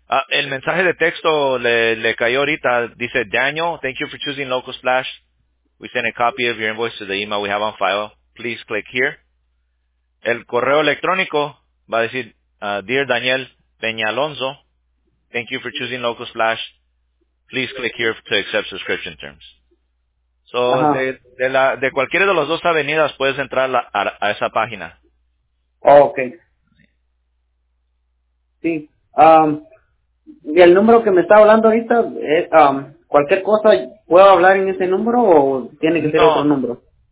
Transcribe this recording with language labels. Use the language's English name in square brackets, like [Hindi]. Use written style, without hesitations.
[Spanish] El mensaje de texto le cayó ahorita. [English] Dice, Daniel, thank you for choosing Local Splash. We sent a copy of your invoice to the email we have on file. Please click here. [Spanish] El correo electrónico va a decir, [English] Dear Daniel Peñalonso, thank you for choosing Local Splash. Please click here to accept subscription terms. [Spanish] So, de cualquiera de las dos avenidas puedes entrar a esa página. [English] Oh, okay. [Spanish] Sí. ¿Y el número que me está hablando ahorita, cualquier cosa, puedo hablar en ese número o tiene que ser otro número?